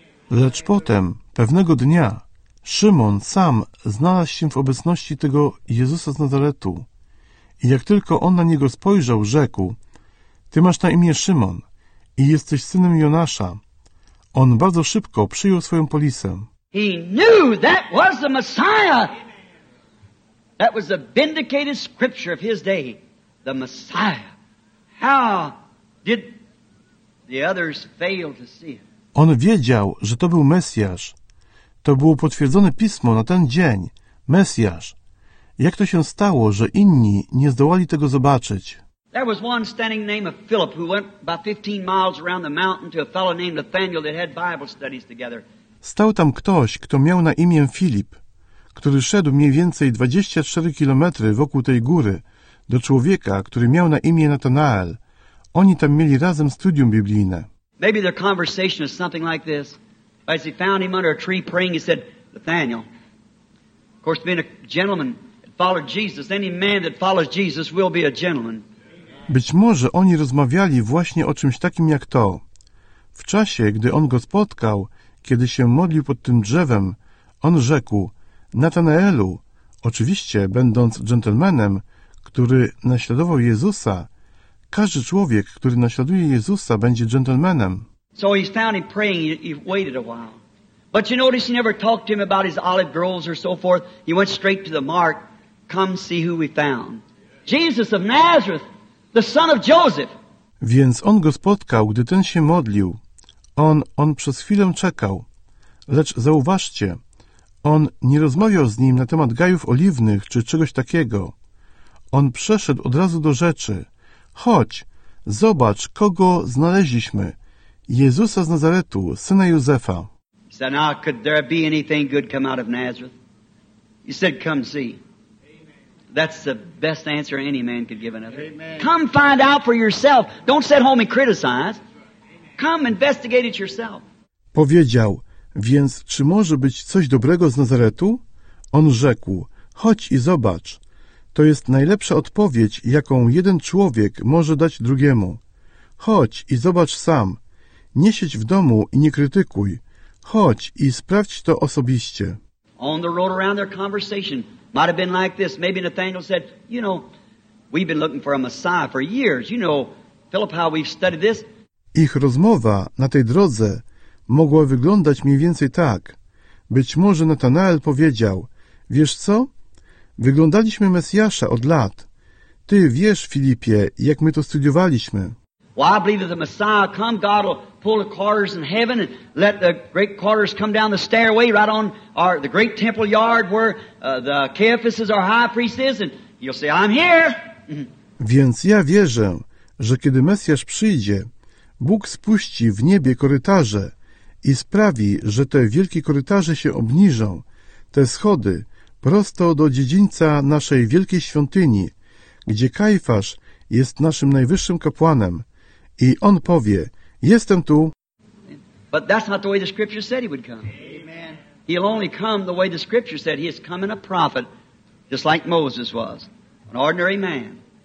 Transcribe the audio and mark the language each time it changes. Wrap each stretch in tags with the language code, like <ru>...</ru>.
<pl>Lecz potem, pewnego dnia, Szymon sam znalazł się w obecności tego Jezusa z Nazaretu. I jak tylko on na niego spojrzał, rzekł, ty masz na imię Szymon i jesteś synem Jonasza. On bardzo szybko przyjął swoją polisę.</pl> <en>He knew that was the Messiah. That was the vindicated scripture of his day, the Messiah. How did the others fail to see him?</en> <pl>On wiedział, że to był Mesjasz. To było potwierdzone pismo na ten dzień. Mesjasz. Jak to się stało, że inni nie zdołali tego zobaczyć?</pl> <en>There was one standing named Philip who went about 15 miles around the mountain to a fellow named Nathaniel that had Bible studies together.</en> <pl>Stał tam ktoś, kto miał na imię Filip, który szedł mniej więcej 24 kilometry wokół tej góry do człowieka, który miał na imię Natanael. Oni tam mieli razem studium biblijne.</pl> <en>Maybe their conversation is something like this. As he found him under a tree praying, he said, Nathaniel, of course, being a gentleman that followed Jesus, any man that follows Jesus will be a gentleman.</en> <pl>Być może oni rozmawiali właśnie o czymś takim jak to. W czasie, gdy on go spotkał, kiedy się modlił pod tym drzewem, on rzekł, Natanaelu, oczywiście będąc dżentelmenem, który naśladował Jezusa, każdy człowiek, który naśladuje Jezusa, będzie dżentelmenem.</pl> <en>So he found him praying, he waited a while. But you notice he never talked to him about his olive groves or so forth. He went straight to the mark, come see who we found. Jesus of Nazareth, the son of Joseph.</en> <pl>Więc on go spotkał, gdy ten się modlił. On przez chwilę czekał. Lecz zauważcie, on nie rozmawiał z nim na temat gajów oliwnych czy czegoś takiego. On przeszedł od razu do rzeczy. Chodź, zobacz, kogo znaleźliśmy. Jezusa z Nazaretu, syna Józefa.</pl> <en>He said, now, could there be anything good come out of Nazareth? He said, come see. Amen. That's the best answer any man could give another. Amen. Come find out for yourself. Don't sit home and criticize. Come investigate it yourself.</en> <pl>Powiedział, więc czy może być coś dobrego z Nazaretu? On rzekł, chodź i zobacz. To jest najlepsza odpowiedź, jaką jeden człowiek może dać drugiemu. Chodź i zobacz sam. Nie siedź w domu i nie krytykuj. Chodź i sprawdź to osobiście.</pl> <en>On the road around their conversation might have been like this. Maybe Nathaniel said, you know, we've been looking for a Messiah for years. You know, Philip, how we've studied this.</en> <pl>Ich rozmowa na tej drodze mogła wyglądać mniej więcej tak. Być może Natanael powiedział, wiesz co? Wyglądaliśmy Mesjasza od lat. Ty wiesz, Filipie, jak my to studiowaliśmy.</pl> <en>Well, I believe if the Messiah come, God will pull the curtains in heaven and let the great curtains come down the stairway right on our the great temple yard where the Caiaphas is our high priest is, and you'll say, I'm here.</en> <pl>Więc ja wierzę, że kiedy Mesjasz przyjdzie, Bóg spuści w niebie korytarze i sprawi, że te wielkie korytarze się obniżą, te schody, prosto do dziedzińca naszej wielkiej świątyni, gdzie Kajfasz jest naszym najwyższym kapłanem i on powie, jestem tu.</pl> <en>But that's not the way the scripture said he would come. Amen. He'll only come the way the scripture said he is coming a prophet, just like Moses was, an ordinary man.</en>